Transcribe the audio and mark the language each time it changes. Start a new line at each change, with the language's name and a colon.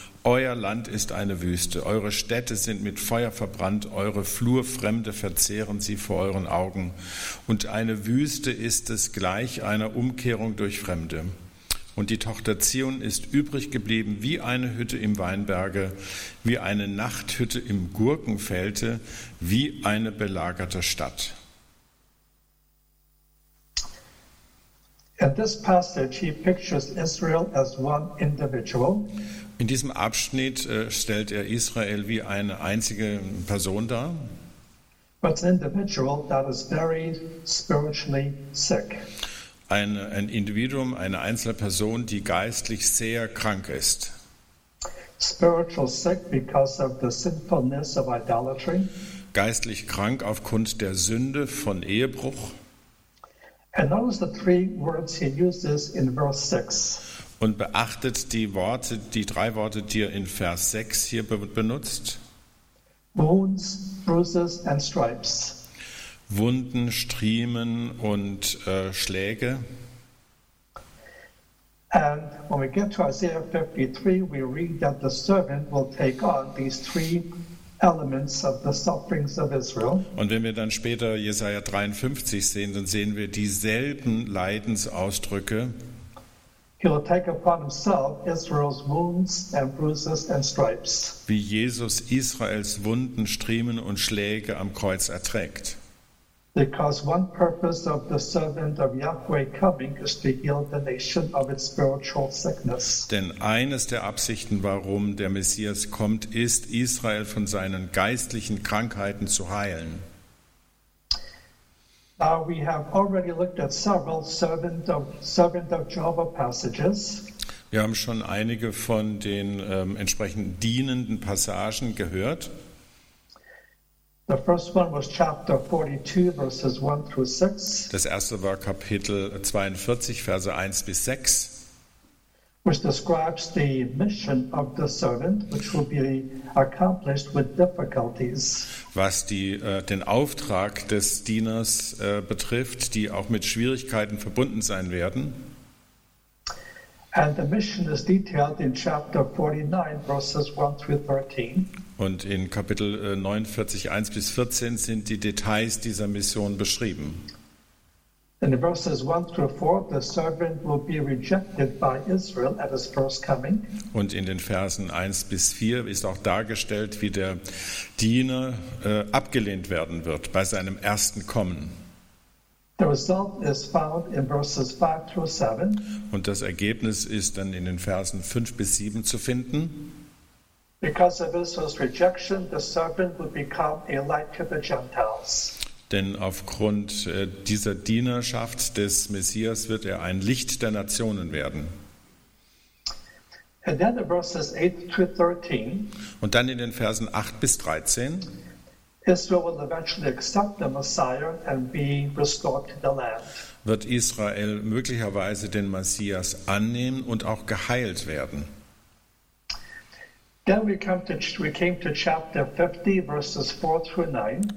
German: Euer Land ist eine Wüste, eure Städte sind mit Feuer verbrannt, eure Flurfremde verzehren sie vor euren Augen. Und eine Wüste ist es gleich einer Umkehrung durch Fremde. Und die Tochter Zion ist übrig geblieben wie eine Hütte im Weinberge, wie eine Nachthütte im Gurkenfelde, wie eine belagerte Stadt.
English: In this passage he pictures Israel as one individual.
German: In diesem Abschnitt stellt er Israel wie eine einzige Person dar.
English: But an individual that is very spiritually sick.
German: Ein Individuum, eine einzelne Person, die geistlich sehr krank ist.
English: Spiritual sick because of the sinfulness of idolatry.
German: Geistlich krank aufgrund der Sünde von Ehebruch.
English: And notice the three words he uses in verse 6.
German: Und beachtet die Worte, die drei Worte, die er in Vers 6 hier benutzt.
English: Wounds, bruises and stripes.
German: Wunden, Striemen und Schläge.
English: And when we get to Isaiah 53, we read that the servant will take on these three elements of the sufferings of Israel.
German: Und wenn wir dann später Jesaja 53 sehen, dann sehen wir dieselben Leidensausdrücke.
English: He will take upon himself Israel's wounds and bruises and stripes.
German: Wie Jesus Israels Wunden, Striemen und Schläge am Kreuz erträgt.
English: Because one purpose of the servant of Yahweh coming is to heal the nation of its spiritual sickness.
German: Denn eines der Absichten, warum der Messias kommt, ist, Israel von seinen geistlichen Krankheiten zu heilen.
English: Now we have already looked at several servant of Jehovah passages.
German: Wir haben schon einige von den entsprechend dienenden Passagen gehört.
English: The first one was chapter 42, verses 1 through 6.
German: Das erste war Kapitel 42, Verse 1 bis 6.
English: Which describes the mission of the servant, which will be accomplished with difficulties.
German: Was die, den Auftrag des Dieners betrifft, die auch mit Schwierigkeiten verbunden sein werden.
English: And the mission is detailed in chapter 49, verses 1 through 13.
German: Und in Kapitel 49, 1 bis 14 sind die Details dieser Mission beschrieben.
English: In verses 1 through 4, the servant will be rejected by Israel at his first coming.
German: Und in den Versen 1 bis 4 ist auch dargestellt, wie der Diener abgelehnt werden wird bei seinem ersten Kommen.
English: The result is found in verses 5 through 7.
German: Und das Ergebnis ist dann in den Versen 5 bis 7 zu finden.
English: Because of Israel's rejection, the servant will become a light to the Gentiles.
German: Denn aufgrund dieser Dienerschaft des Messias wird er ein Licht der Nationen werden.
English: And then in verses 8 through 13.
German: Und dann in den Versen 8 bis 13.
English: Israel will eventually accept the Messiah and be restored to the land.
German: Wird Israel möglicherweise den Messias annehmen und auch geheilt werden.
English: Then we came to chapter 50, verses 4 through 9.